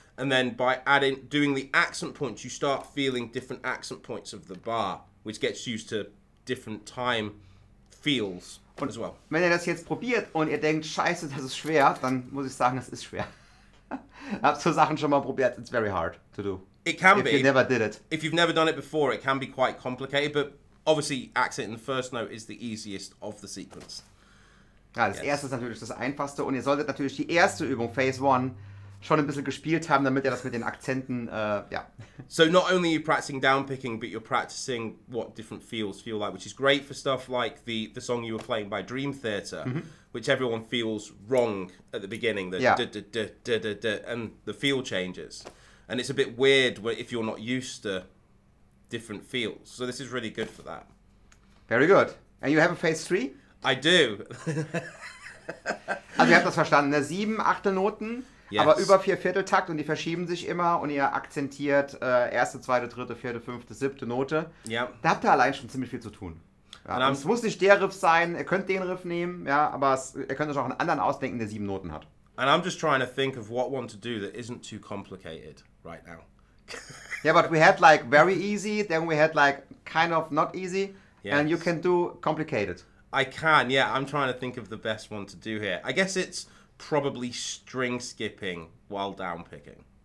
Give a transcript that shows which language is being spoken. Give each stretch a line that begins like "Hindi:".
English: And then by adding, doing the accent points, you start feeling different accent points of the bar, which gets used to different time feels.
German: Und
English: as well.
German: Wenn ihr das jetzt probiert und ihr denkt, scheiße, das ist schwer, dann muss ich sagen, es ist schwer. Hab so Sachen schon mal probiert, it's very hard to do.
English: It can if be. If you never did it. If you've never done it before, it can be quite complicated, but obviously accent in the first note is the easiest of the sequence.
German: Ja, das yes. erste ist natürlich das einfachste und ihr solltet natürlich die erste Übung, Phase 1, schon ein bisschen gespielt haben, damit ihr das mit den Akzenten, ja.
English: So not only are you practicing downpicking, but you're practicing what different feels feel like, which is great for stuff like the song you were playing by Dream Theater, mm-hmm. which everyone feels wrong at the beginning, the yeah. da-da-da-da-da-da, and the feel changes. And it's a bit weird if you're not used to different feels. So this is really good for that. Very good. And you have a phase 3? I do.
German: Also ihr habt das verstanden, ne? 7 Achtelnoten.
English: Yes.
German: Aber über 4/4-Takt und die verschieben sich immer und ihr akzentiert erste, zweite, dritte, vierte, fünfte, siebte Note.
English: Yep.
German: Da habt ihr allein schon ziemlich viel zu tun. Ja. Und es muss nicht der Riff sein, ihr könnt den Riff nehmen, ja, aber ihr könnt euch auch einen anderen ausdenken, der 7 Noten hat.
English: And I'm just trying to think of what one to do that isn't too complicated right now. Yeah, but we had like very easy, then we had like kind of not easy, yes. and you can do complicated. I can, yeah, I'm trying to think of the best one to do here. I guess it's probably string skipping while downpicking.